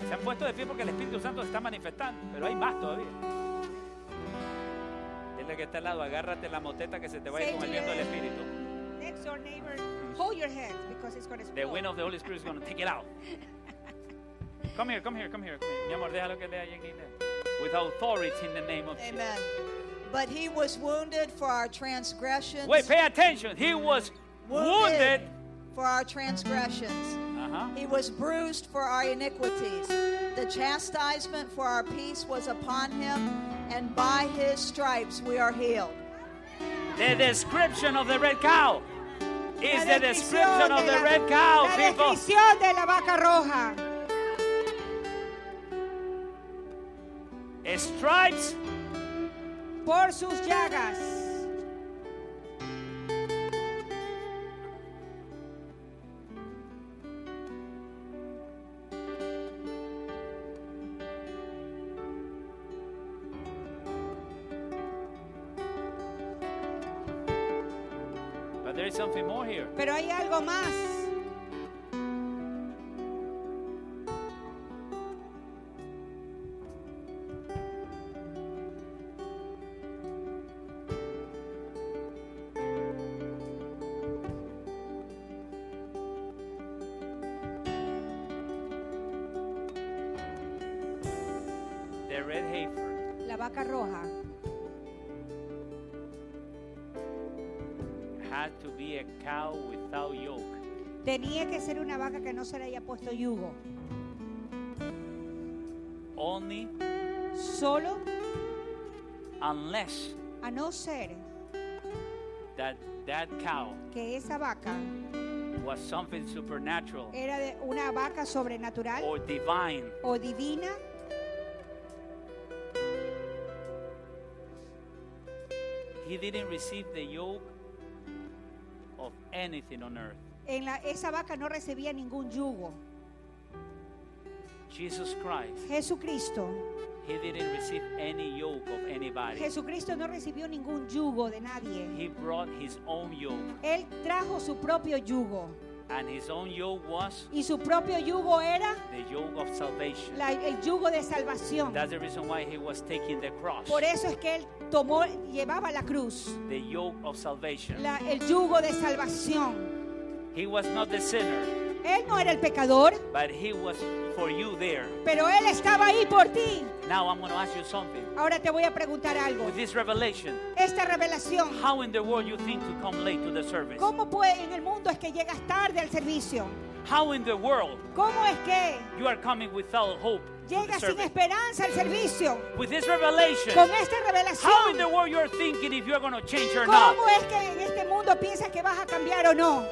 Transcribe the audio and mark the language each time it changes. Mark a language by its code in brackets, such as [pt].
[es] Se han puesto de pie porque el Espíritu Santo se está manifestando, pero hay más todavía. Que está al lado, agárrate la moteta que se te va a ir con el viento del Espíritu. [en] Next door neighbor, hold your head because it's going to explode. The wind of the Holy Spirit is going to take it out. Come here, come here, come here. [es] Mi amor, déjalo que lea allí. [en] With authority in the name of Jesus. Amen. But he was wounded for our transgressions. Wait, pay attention. He was wounded for our transgressions. Uh-huh. He was bruised for our iniquities. The chastisement for our peace was upon him, and by his stripes we are healed. The description of the red cow is the description of the red cow, people. [es] La descripción de la vaca roja. [en] Stripes. [es] Por sus llagas. [en] Something more here. [es] Pero hay algo más. [en] The red heifer. [es] La vaca roja. [en] Had to be a cow without yoke. [es] Tenía que ser una vaca que no se le haya puesto yugo. [en] Only. [es] Solo. [en] Unless. [es] A no ser. [en] That that cow [es] que esa vaca [en] was something supernatural, [es] era de una vaca sobrenatural, [en] or divine, [es] o divina. [en] He didn't receive the yoke of anything on earth. [es] En la, esa vaca no recibía ningún yugo. [en] Jesus Christ. [es] Jesucristo. [en] He didn't receive any yoke of anybody. [es] Jesucristo no recibió ningún yugo de nadie. [en] He brought his own yoke. [es] Él trajo su propio yugo. [en] And his own yoke was. [es] Y su propio yugo era. [en] The yoke of salvation. [es] La, el yugo de salvación. [en] That's the reason why he was taking the cross. [es] Por eso es que él tomó, llevaba la cruz. [en] The yoke of salvation. [es] La, el yugo de salvación. [en] He was not the sinner. [es] Él no era el pecador. [en] But he was for you there. [es] Pero él estaba ahí por ti. [en] Now I'm going to ask you something. [es] Ahora te voy a preguntar algo. [en] With this revelation. [es] Esta revelación. [en] How in the world you think to come late to the service? [es] ¿Cómo puede en el mundo es que llegas tarde al servicio? [en] How in the world? [es] ¿Cómo es que? [en] You are coming without hope. [es] Llegas sin esperanza al servicio. [en] With this revelation. [es] Con esta revelación. [en] How in the world you are thinking if you are going to change or [es] ¿cómo [en] not? [es] ¿Cómo es que en este mundo piensas que vas a cambiar o no?